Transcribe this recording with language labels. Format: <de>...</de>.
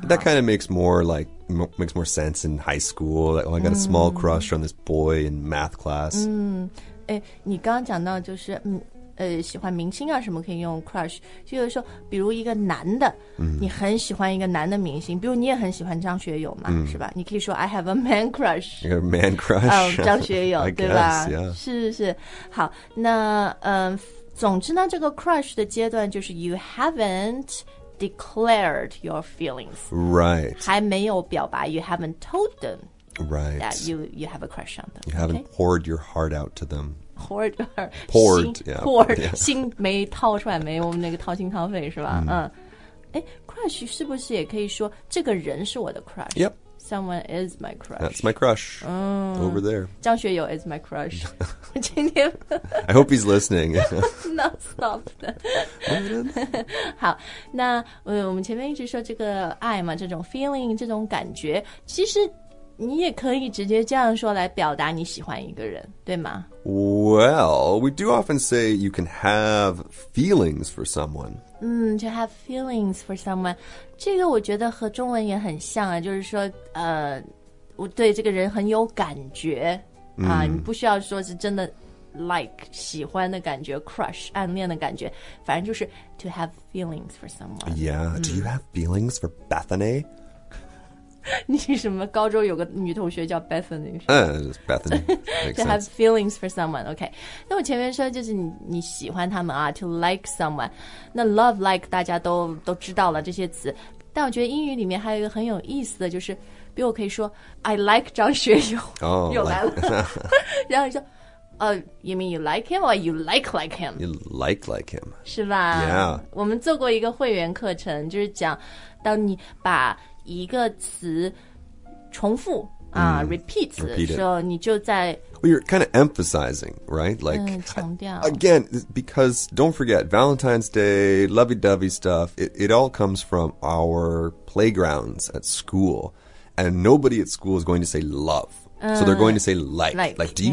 <en>That kind of makes more like, makes more sense in high school. Like, oh, I got a small crush on this boy in math class.</en> <zh>你刚刚讲到就是喜欢明星啊什么可以用 crush, 就是说比如一个男的、 mm. 你很喜欢一个男的明星，比如你也很喜欢张学友嘛、 mm. 是吧，你可以说</zh> <en>I have a man crush, a man crush、</en> <zh>张学友</zh> <en>guess,</en> <zh>对吧、</zh> <en>yeah.</en> <zh>是好，那总之呢，这个 crush 的阶段就是</zh> <en>you haven't declared your feelings, right?</en> <zh>还没有表白</zh> <en>you haven't told them, right? That you have a crush on them. You haven't、 okay? poured your heart out to them. Poured, yeah.</en> <zh>Poured, 心没掏出来，没有那个掏心掏肺，是吧？ crush 是不是也可以说这个人是我的 crush?</zh> <en>Yep. Someone is my crush. That's my crush.、 Oh, over there. 张学友 is my crush.</en> <zh>今天</zh> <en>I hope he's listening. No, stop.</en> <zh>好，那、我们前面一直说这个爱嘛，这种 feeling, 这种感觉，其实你也可以直接这样说来表达你喜欢一个人，对吗？</zh> <en>Well, we do often say you can have feelings for someone. To have feelings for someone.</en> <zh>这个我觉得和中文也很像啊，就是说我对这个人很有感觉、你不需要说是真的 like, 喜欢的感觉 crush, 暗恋的感觉，反正就是</zh> <en>to have feelings for someone. Yeah,、do you have feelings for Bethany?</en> <zh>你什么高中有个女同学叫 Bethany?</zh> <en>Bethany. To have feelings for someone, okay.</en> <zh>那我前面说就是 你喜欢他们啊</zh> <en>to like someone.</en> <zh>那 love, like, 大家 都知道了这些词。但我觉得英语里面还有一个很有意思的就是比如我可以说 I like 张学友、</zh> <en>oh,</en> <zh>又来了。然后你说、</zh> <en>you mean you like him or you like him? You like him.</en> <zh>是吧</zh> <en>Yeah.</en> <zh>我们做过一个会员课程就是讲当你把一个词重复、repeat 词的时候你就在</zh> <en>Well, you're kind of emphasizing, right? Like,</en> <zh>强调</zh> <en>Again, because don't forget Valentine's Day, lovey-dovey stuff it all comes from our playgrounds at school And nobody at school is going to say love、So they're going to say like Like, do you、</en>